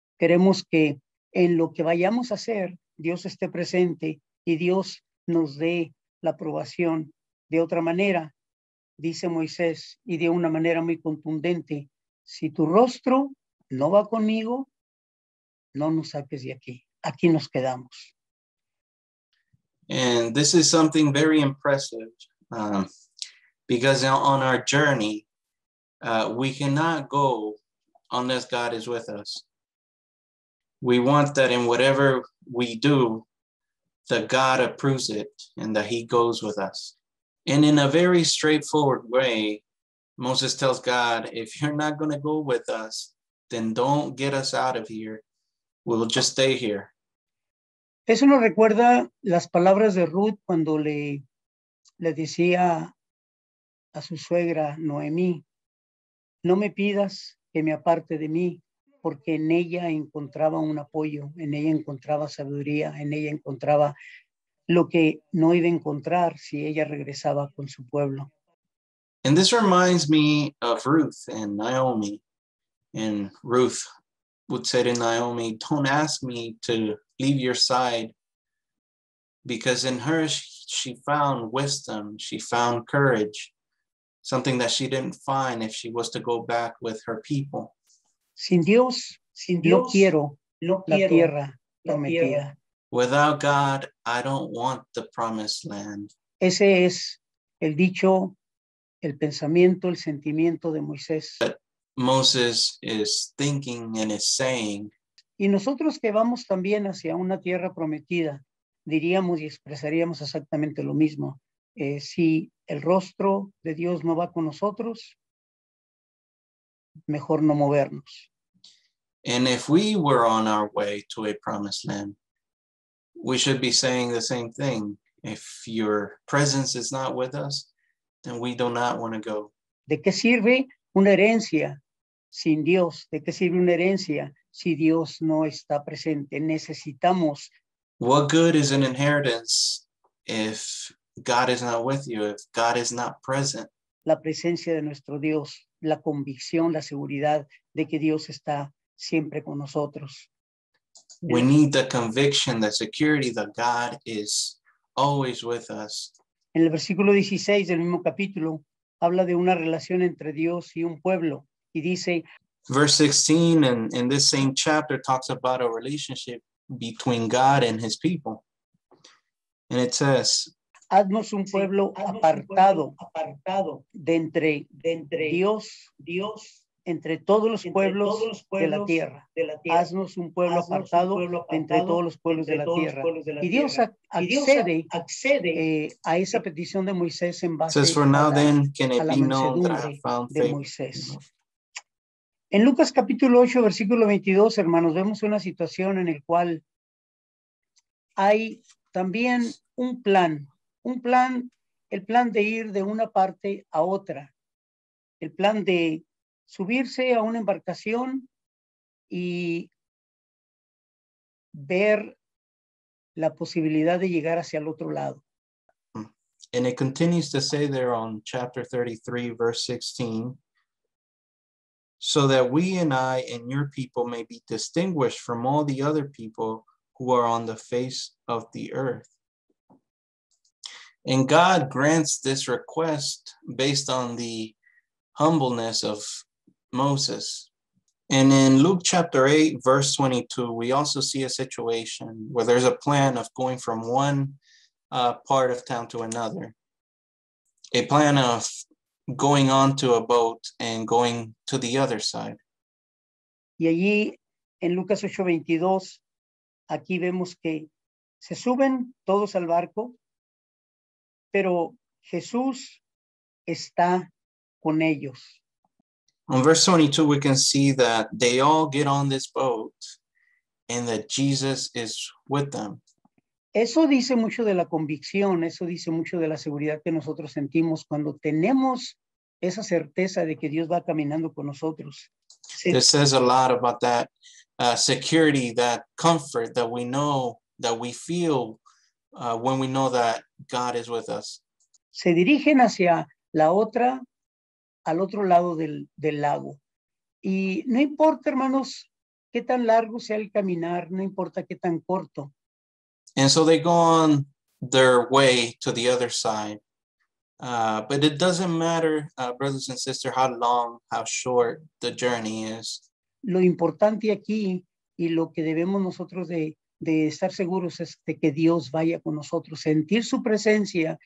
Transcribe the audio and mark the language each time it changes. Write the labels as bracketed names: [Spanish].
[Spanish] Queremos que en lo que vayamos a hacer, Dios esté presente y Dios nos dé la aprobación. De otra manera, dice Moisés, y de una manera muy contundente, si tu rostro no va conmigo, no nos saques de aquí. Aquí nos quedamos. [English] And this is something very impressive because on our journey, we cannot go unless God is with us. We want that in whatever we do, that God approves it and that he goes with us. And in a very straightforward way, Moses tells God, if you're not going to go with us, then don't get us out of here. We'll just stay here. [Spanish] Eso nos recuerda las palabras de Ruth cuando le decía a su suegra Noemí, no me pidas que me aparte de mí, porque en ella encontraba un apoyo, en ella encontraba sabiduría, en ella encontraba lo que no iba a encontrar si ella regresaba con su pueblo. [English] And this reminds me of Ruth and Naomi. And Ruth would say to Naomi, don't ask me to leave your side, because in her she found wisdom, she found courage, something that she didn't find if she was to go back with her people. [Spanish] Sin Dios, no quiero la tierra prometida. [English] Without God, I don't want the promised land. [Spanish] Ese es el dicho, el pensamiento, el sentimiento de Moisés. [English] But Moses is thinking and is saying. [Spanish] Y nosotros que vamos también hacia una tierra prometida, diríamos y expresaríamos exactamente lo mismo. Si el rostro de Dios no va con nosotros, mejor no movernos. [English] And if we were on our way to a promised land, we should be saying the same thing. If your presence is not with us, then we do not want to go. [Spanish] ¿De qué sirve una herencia sin Dios? ¿De qué sirve una herencia si Dios no está presente? Necesitamos. [English] What good is an inheritance if God is not with you, if God is not present? [Spanish] La presencia de nuestro Dios, la convicción, la seguridad de que Dios está siempre con nosotros. [English] We need the conviction, the security that God is always with us. [Spanish] En el versículo 16 del mismo capítulo, habla de una relación entre Dios y un pueblo, y dice. [English] Verse 16 and in this same chapter talks about a relationship between God and his people. And it says, [Spanish] haznos un pueblo apartado de entre Dios entre todos los pueblos de la tierra. Haznos un pueblo apartado entre todos los pueblos de la tierra. Y Dios accede a esa petición de Moisés en base [English] says, for a, now, [Spanish] la, [English] then, [Spanish] a la mansedumbre de Moisés. En Lucas capítulo 8, versículo 22, hermanos, vemos una situación en la cual hay también un plan, el plan de ir de una parte a otra, el plan de subirse a una embarcación y ver la posibilidad de llegar hacia el otro lado. [English] And it continues to say there on chapter 33, verse 16, so that we and I and your people may be distinguished from all the other people who are on the face of the earth. And God grants this request based on the humbleness of Moses. And in Luke chapter 8, verse 22, we also see a situation where there's a plan of going from one part of town to another. A plan of going onto a boat and going to the other side. [Spanish] Y allí en Lucas 8:22, aquí vemos que se suben todos al barco, pero Jesús está con ellos. [English] On verse 22, we can see that they all get on this boat and that Jesus is with them. [Spanish] Eso dice mucho de la convicción, eso dice mucho de la seguridad que nosotros sentimos cuando tenemos esa certeza de que Dios va caminando con nosotros. [English] This says a lot about that security, that comfort that we know, that we feel when we know that God is with us. [Spanish] Se dirigen hacia la otra, al otro lado del lago. Y no importa, hermanos, qué tan largo sea el caminar, no importa qué tan corto. [English] And so they go on their way to the other side. But it doesn't matter, brothers and sisters, how long, how short the journey is. [Spanish] Lo importante aquí y lo que debemos nosotros de estar seguros es de que Dios vaya con nosotros, sentir su presencia.